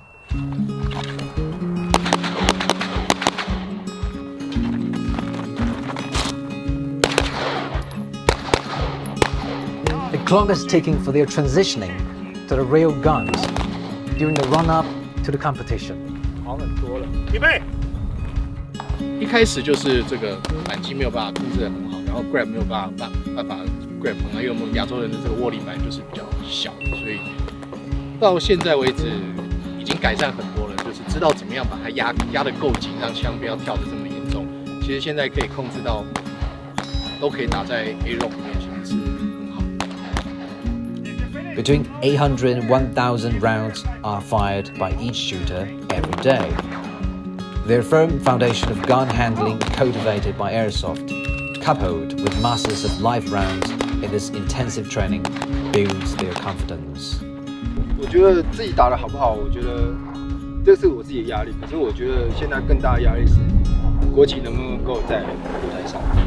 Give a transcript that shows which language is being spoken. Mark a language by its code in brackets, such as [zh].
[en] The clock is ticking for their transitioning to the real guns during the run-up to the competition. [zh] 好很多了。预备。一开始就是这个扳机没有办法控制得很好，然后 grab 没有办法 grab 很好，因为我们亚洲人的这个握力板就是比较小，所以到现在为止已经改善很多了，就是知道怎么样把它压得够紧，让枪不要跳得这么严重。其实现在可以控制到都可以打在 A rock 里面，算是很好。 [en] Between 800 and 1,000 rounds are fired by each shooter every day. The firm foundation of gun handling cultivated by Airsoft, coupled with masses of live rounds in this intensive training, builds their confidence. [zh] 我觉得自己打得好不好，我觉得这是我自己的压力。可是我觉得现在更大的压力是国旗能不能够在舞台上。